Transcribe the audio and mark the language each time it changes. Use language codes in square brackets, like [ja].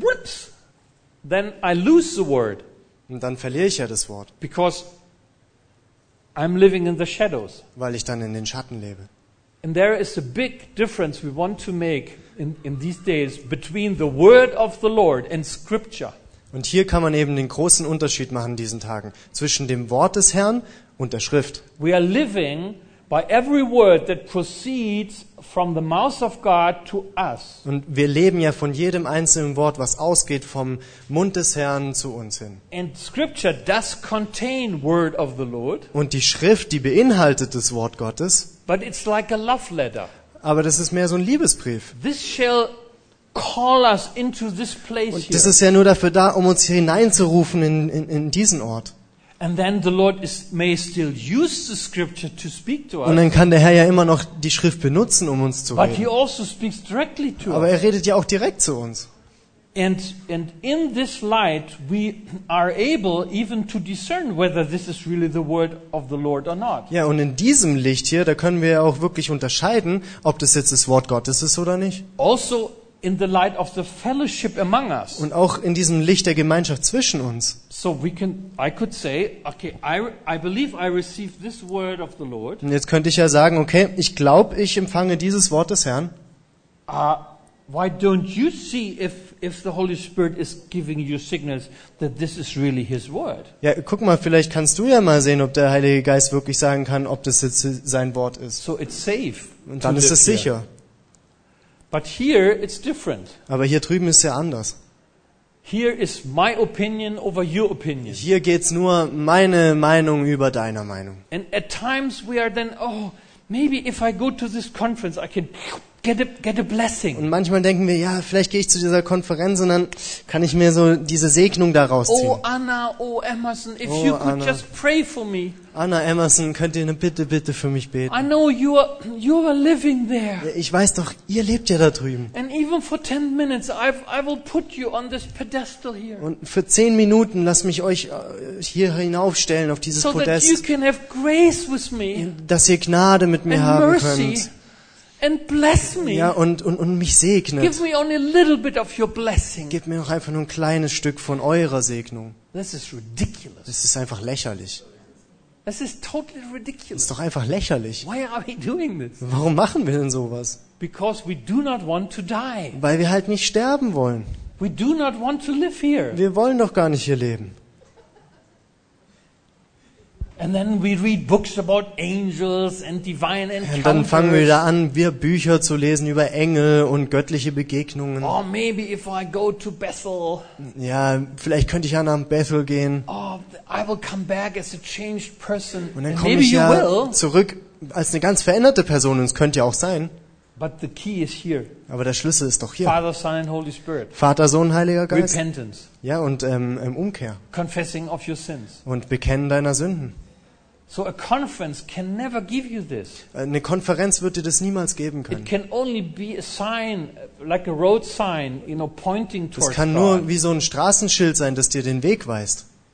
[en] whoops, then I lose the word. [de] Und dann verliere ich ja das Wort. [en] Because I'm living in the shadows. [de] Weil ich dann in den Schatten lebe. [en] And there is a big difference we want to make in these days between the word of the Lord and Scripture. [de] Und hier kann man eben den großen Unterschied machen in diesen Tagen zwischen dem Wort des Herrn und der Schrift. [en] We are living by every word that proceeds from the mouth of God to us. [de] Und wir leben ja von jedem einzelnen Wort, was ausgeht vom Mund des Herrn zu uns hin. [en] And scripture does contain word of the Lord. [de] Und die Schrift, die beinhaltet das Wort Gottes. [en] But it's like a love letter. [de] Aber das ist mehr so ein Liebesbrief. [en] This shall call us into this place here. [de] Und das ist ja nur dafür da, um uns hier hineinzurufen in diesen Ort. [en] And then the Lord may still use the scripture to speak to us. [de] Und dann kann der Herr ja immer noch die Schrift benutzen, um uns zu reden. [en] But he also speaks directly to us. [de] Aber er redet ja auch direkt zu uns. [en] And in this light we are able even to discern whether this is really the word of the Lord or not. [de] Ja, und in diesem Licht hier, da können wir auch wirklich unterscheiden, ob das jetzt das Wort Gottes ist oder nicht. [en] Also in the light of the fellowship among us. [de] Und auch in diesem Licht der Gemeinschaft zwischen uns. [en] So we can, I could say, okay, I believe I receive this word of the Lord. [de] Und jetzt könnte ich ja sagen, okay, ich glaube, ich empfange dieses Wort des Herrn. [en] Why don't you see if the Holy Spirit is giving you signals that this is really his word? [de] Ja, guck mal, vielleicht kannst du ja mal sehen, ob der Heilige Geist wirklich sagen kann, ob das jetzt sein Wort ist. [en] So it's safe. [de] Und dann ist es sicher. [en] But here it's different. [de] Aber hier drüben ist es ja anders. [en] Here is my opinion over your opinion. [de] Hier geht's nur meine Meinung über deiner Meinung. [en] And at times we are then, oh, maybe if I go to this conference I can get a blessing. [de] Und manchmal denken wir, ja, vielleicht gehe ich zu dieser Konferenz und dann kann ich mir so diese Segnung daraus ziehen. [en] Oh Anna, oh Emerson, if you could Anna. Just pray for me. [de] Anna, Emerson, könnt ihr bitte für mich beten? [en] I know you are living there. [de] Ich weiß doch, ihr lebt ja da drüben. [en] And even for 10 minutes I will put you on this pedestal here. [de] Und für 10 Minuten lass mich euch hier hinaufstellen auf dieses Podest. [en] So that you can have grace with me. [de] Dass ihr Gnade mit mir haben könnt. [en] And bless me. [de] Ja, und mich segnet. [en] Give me only a little bit of your blessing. [de] Gib mir noch einfach nur ein kleines Stück von eurer Segnung. [en] This is ridiculous. [de] Das ist einfach lächerlich. [en] This is totally ridiculous. [de] Das ist doch einfach lächerlich. [en] Why are we doing this? [de] Warum machen wir denn sowas? [en] Because we do not want to die. [de] Weil wir halt nicht sterben wollen. [en] We do not want to live here. [de] Wir wollen doch gar nicht hier leben. [en] And then we read books about angels and divine encounters. [de] Und dann fangen wir da an, wir Bücher zu lesen über Engel und göttliche Begegnungen. [en] Or maybe if I go to Bethel. [de] Ja, vielleicht könnte ich ja nach Bethel gehen. [en] Oh, I will come back as a changed person. [de] Und dann komme ich ja zurück als eine ganz veränderte Person. Und es könnte ja auch sein. [en] But the key is here. [de] Aber der Schlüssel ist doch hier. [en] Father, Son and Holy Spirit. [de] Vater, Sohn, Heiliger Geist. [en] Repentance. [de] Ja, und Umkehr. [en] Confessing of your sins. [de] Und Bekennen deiner Sünden. [en] So a conference can never give you this. [de] Eine Konferenz wird dir das niemals geben können. [en] It can only be a sign, like a road sign, you know, pointing towards God. [de] Es kann nur wie so ein Straßenschild sein, das dir den Weg weist.